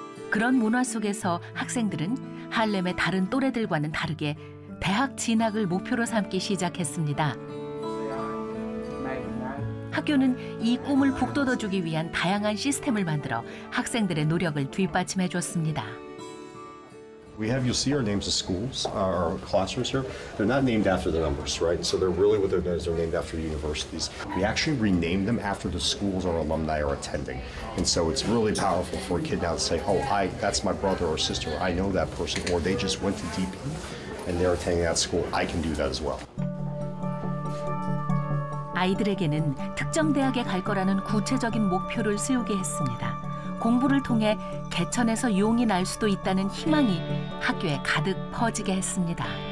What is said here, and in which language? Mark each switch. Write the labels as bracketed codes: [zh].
[ko] 그런 문화 속에서 학생들은 할렘의 다른 또래들과는 다르게 대학 진학을 목표로 삼기 시작했습니다. 학교는 이 꿈을 북돋아주기 위한 다양한 시스템을 만들어 학생들의 노력을 뒷받침해 줬습니다. [en] We have, you'll see our names of schools, our classrooms here. They're not named after the numbers, right? So they're really what they're doing is they're named after universities. We actually rename them after the schools our alumni are attending. And so it's really powerful for a kid now to say, oh, hi, that's my brother or sister. I know that person. Or they just went to DP and they're attending that school. I can do that as well. [ko] 아이들에게는 특정 대학에 갈 거라는 구체적인 목표를 세우게 했습니다. 공부를 통해 개천에서 용이 날 수도 있다는 희망이 학교에 가득 퍼지게 했습니다.